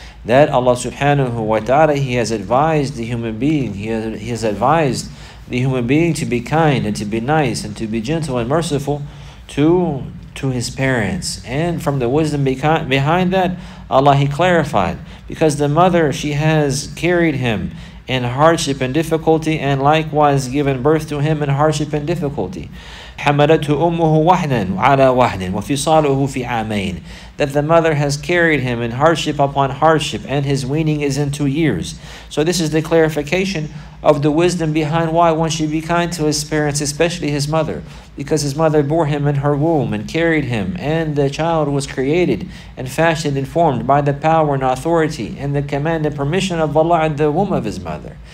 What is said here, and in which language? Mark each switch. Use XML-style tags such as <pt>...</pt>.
<en>That Allah subhanahu wa ta'ala, He has advised the human being, He has advised the human being to be kind and to be nice and to be gentle and merciful to his parents. And from the wisdom behind that, Allah, He clarified, because the mother, she has carried him in hardship and difficulty, and likewise given birth to him in hardship and difficulty.</en> <ar>حَمَلَتْهُ أُمُّهُ وَحْنًا عَلَى وَحْنٍ وَفِصَالُهُ فِي عَامَيْنِ.</ar> <en>That the mother has carried him in hardship upon hardship, and his weaning is in 2 years. So this is the clarification of the wisdom behind why one should be kind to his parents, especially his mother. Because his mother bore him in her womb and carried him, and the child was created and fashioned and formed by the power and authority and the command and permission of Allah in the womb of his mother.</en>